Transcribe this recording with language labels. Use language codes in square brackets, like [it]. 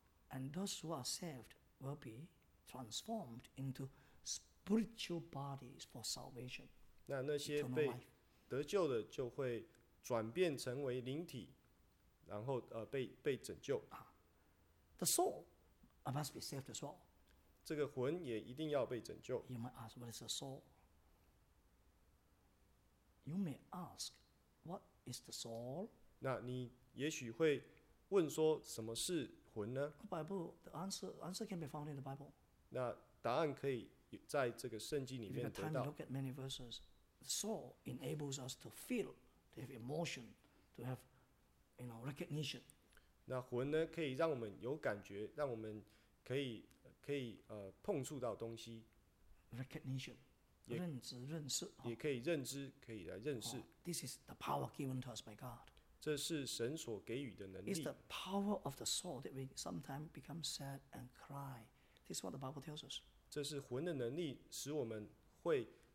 [en] And those who are saved will be transformed into spiritual bodies for salvation. [zh] 那些被得救的就会转变成为灵体，然后被拯救。 [en] The soul must be saved as well. [zh] 这个魂也一定要被拯救。 [en] You may ask, what is the soul? You may ask, what is the soul? [zh] 那你也许会问说，什么是魂呢？ [en] Bible, the answer can be found in the Bible. [zh] 那答案可以。在这个圣经里面得到。 [en] If you have time to look at many verses, the soul enables us to feel the have emotion, to have, you know, recognition. [zh] 那魂呢，可以让我们有感觉，让我们可以碰触到东西。 Recognition, 认知认识。也可以认知，可以来认识。 [en] Oh, this is the power given to us by God. [zh] 这是神所给予的能力。 [en] It's the power of the soul that we sometimes become sad and cry. This is what the Bible tells us. [zh] 这是魂的能力，使我们会。